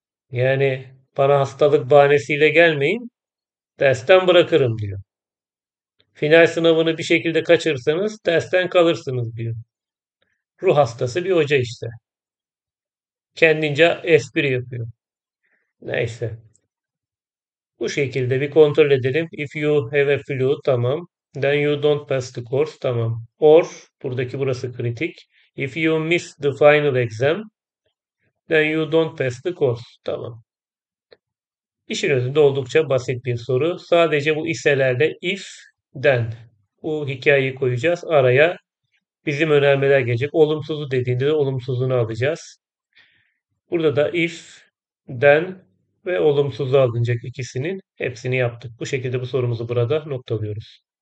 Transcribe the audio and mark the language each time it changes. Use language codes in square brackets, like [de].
[tr] Yani bana hastalık bahanesiyle gelmeyin, dersten bırakırım diyor. Final sınavını bir şekilde kaçırırsanız dersten kalırsınız diyor. Ruh hastası bir hoca işte. Kendince espri yapıyor. Neyse. Bu şekilde bir kontrol edelim. [en] If you have a flu, tamam. Then you don't pass the course, tamam. Or, [tr] buradaki burası kritik. [en] If you miss the final exam, then you don't pass the course. [tr] Tamam. İşin özünde oldukça basit bir soru. Sadece bu iselerde if, then. Bu hikayeyi koyacağız. Araya bizim önermeler gelecek. Olumsuzu dediğinde de olumsuzunu alacağız. Burada da if, then ve olumsuzu alınacak ikisinin hepsini yaptık. Bu şekilde bu sorumuzu burada noktalıyoruz.